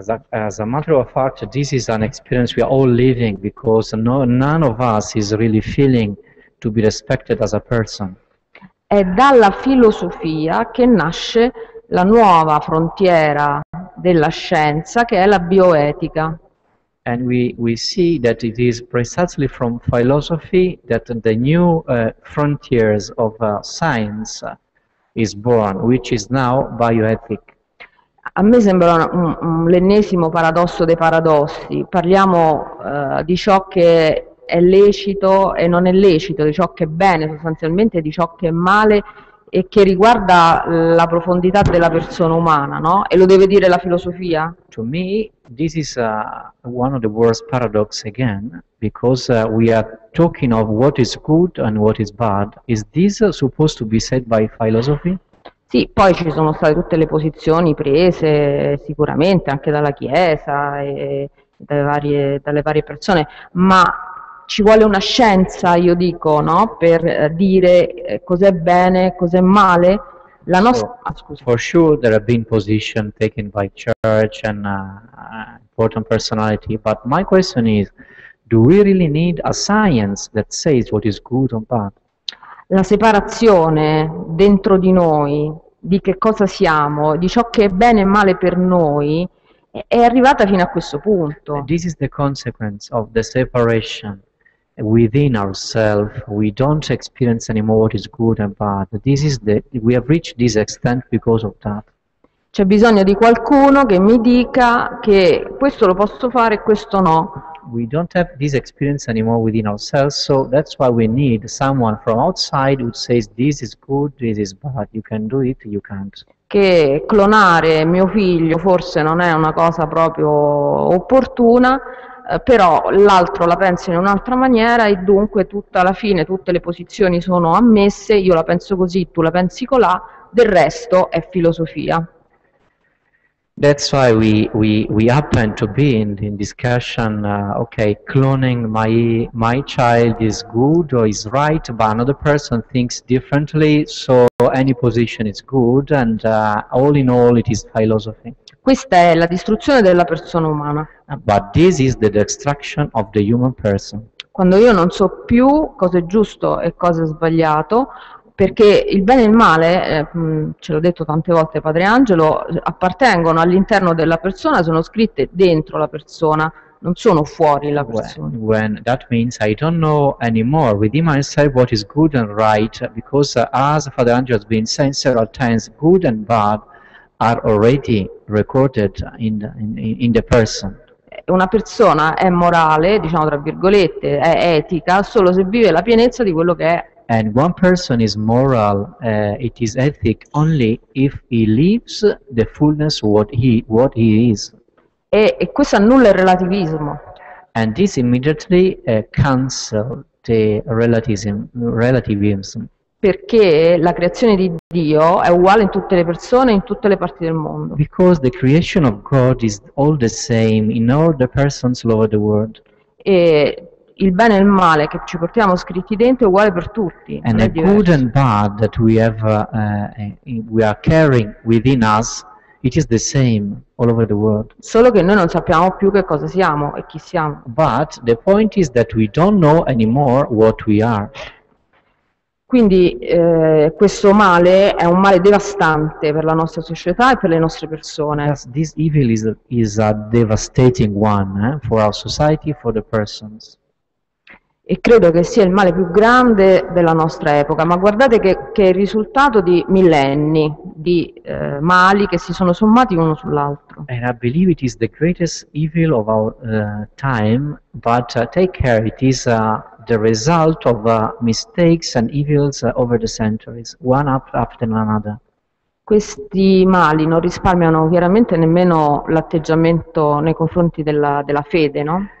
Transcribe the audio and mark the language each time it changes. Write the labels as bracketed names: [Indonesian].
[English] As a matter of fact, this is an experience we are all living, because none of us is really feeling to be respected as a person. [Italian] È dalla filosofia che nasce la nuova frontiera della scienza, che è la bioetica. [English] And we see that it is precisely from philosophy that the new frontiers of science is born, which is now bioethic. [Italian] A me sembra l'ennesimo paradosso dei paradossi. Parliamo di ciò che è lecito e non è lecito, di ciò che è bene sostanzialmente, di ciò che è male e che riguarda la profondità della persona umana, no? E lo deve dire la filosofia? [English] To me this is one of the worst paradox again, because we are talking of what is good and what is bad. Is this supposed to be said by philosophy? [Italian] Sì, poi ci sono state tutte le posizioni prese sicuramente anche dalla Chiesa e dalle varie persone, ma ci vuole una scienza, io dico, no, per dire cos'è bene, cos'è male. La nostra [English] For sure there have been positions taken by church and important personality, but my question is, do we really need a science that says what is good or bad? [Italian] La separazione dentro di noi di che cosa siamo, di ciò che è bene e male per noi, è arrivata fino a questo punto. [English] And this is the consequence of the separation within ourselves. We don't experience anymore what is good and bad. This is we have reached this extent because of that. [Italian] C'è bisogno di qualcuno che mi dica che questo lo posso fare e questo no. [English] we don't have this experience anymore within ourselves, so that's why we need someone from outside who says this is good, this is bad, you can do it, you can't. [Italian] Che clonare mio figlio forse non è una cosa proprio opportuna, però l'altro la pensa in un'altra maniera e dunque tutta la fine, tutte le posizioni sono ammesse, io la penso così, tu la pensi colà, del resto è filosofia. [English] That's why we happen to be in discussion, okay, cloning my child is good or is right, but another person thinks differently, so any position is good, and all in all it is philosophy. [Italian] Questa è la distruzione della persona umana. [English] But this is the destruction of the human person. [Italian] Quando io non so più cosa è giusto e cosa è sbagliato, perché il bene e il male, ce l'ho detto tante volte Padre Angelo, appartengono all'interno della persona, sono scritte dentro la persona, non sono fuori la persona. [English] When that means I don't know anymore within myself what is good and right, because as Father Angelo has been saying several times, good and bad are already recorded in the person. [Italian] Una persona è morale, diciamo tra virgolette, è etica solo se vive la pienezza di quello che è. [English] And one person is moral, it is ethic only if he lives the fullness what he is. [Italian] E questo annulla il relativismo. [English] And this immediately cancels the relativism. [Italian] Perché la creazione di Dio è uguale in tutte le persone e in tutte le parti del mondo. [English] Because the creation of God is all the same in all the persons all over the world. [Italian] E il bene e il male che ci portiamo scritti dentro è uguale per tutti. [English] And the good and bad that we are carrying within us, it is the same all over the world. [Italian] Solo che noi non sappiamo più che cosa siamo e chi siamo. [English] But the point is that we don't know anymore what we are. [Italian] Quindi questo male è un male devastante per la nostra società e per le nostre persone. [English] Yes, this evil is a devastating one for our society, for the persons. [Italian] E credo che sia il male più grande della nostra epoca, ma guardate che è il risultato di millenni di mali che si sono sommati uno sull'altro. [English] And I believe it is the greatest evil of our time, but take care, it is the result of mistakes and evils over the centuries, one after another. [Italian] Questi mali non risparmiano chiaramente nemmeno l'atteggiamento nei confronti della fede, no?